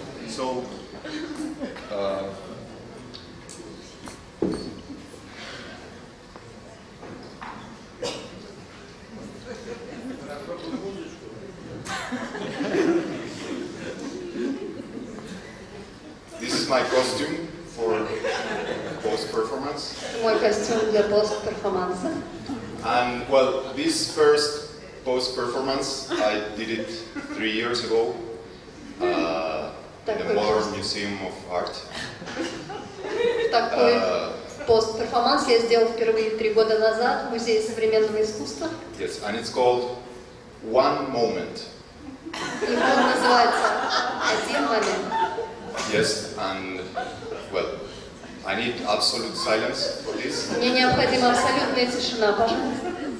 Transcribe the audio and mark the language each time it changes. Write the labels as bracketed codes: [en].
[en] So, this is my costume for post-performance. [ru] Мой костюм для пост-перформанса. [en] And, well, this first post-performance, I did it 3 years ago in the Modern Museum of Art. [ru] Такой пост-перформанс я сделал впервые 3 года назад в Музее современного искусства. [en] Yes, and it's called One Moment. [ru] И он называется «Один момент». [en] Yes, and, well, I need absolute silence for this. [ru] Мне необходима абсолютная тишина, пожалуйста.